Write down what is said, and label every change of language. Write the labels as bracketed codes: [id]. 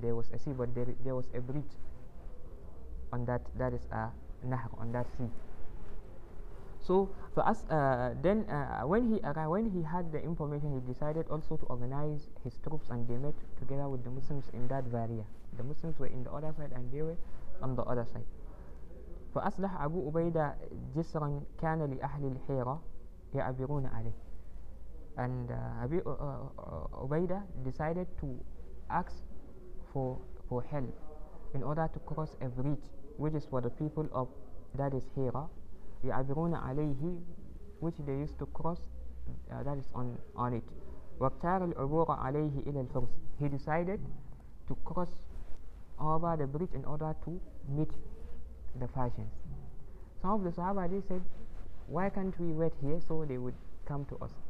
[en] There was a sea, but there was a bridge on that is a nahr on that sea. So for us, when he had the information, he decided also to organize his troops and they met together with the Muslims in that barrier. The Muslims were in the other side and they were on the other side. [ar] فأصلح أبو عبيدة جسرا كان لأهل الحيرة يعبرون عليه. [en] And Ubaida decided to ask for help in order to cross a bridge, which is for the people of that is Hira, يعبرون عليه, which they used to cross, that is on it. [ar] واختار العبور عليه إلى الفرس. [en] He decided to cross over the bridge in order to meet the Persians. Some of the Sahaba they said, why can't we wait here so they would come to us?